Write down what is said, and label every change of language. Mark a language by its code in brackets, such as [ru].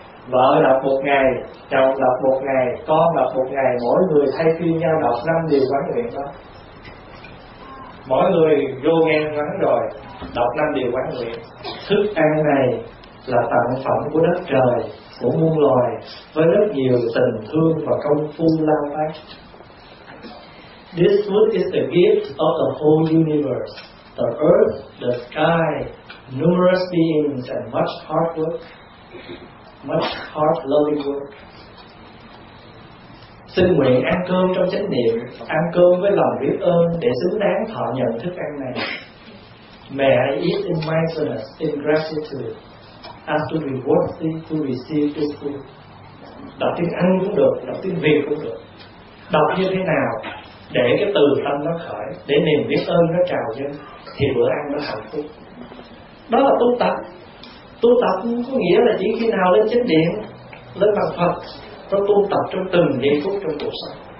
[vi] Vợ đọc một ngày, chồng đọc một ngày, con đọc một ngày, mỗi người thay phiên nhau đọc năm điều quán nguyện đó. Mỗi người vô nghe ngắn rồi đọc năm điều quán nguyện. Thức ăn này là tặng phẩm của đất trời, của muôn loài, với rất nhiều tình thương và công phu lao tác. [en] This food is the gift of the whole universe, the earth, the sky, numerous beings and much hard work, much hard loving work. [vi] Xin nguyện ăn cơm trong chánh niệm, ăn cơm với lòng biết ơn để xứng đáng thọ nhận thức ăn này. [en] May I eat in mindfulness, in gratitude, as to be worthy to receive this food. [vi] Đọc tiếng Anh cũng được, đọc tiếng Việt cũng được. Đọc như thế nào để cái từ tâm nó khởi, để niềm biết ơn nó trào dâng, thì bữa ăn nó hạnh phúc. Đó là tu tập. Tu tập có nghĩa là chỉ khi nào lên chánh điện, lên bằng Phật, nó tu tập trong từng giây phút trong cuộc sống.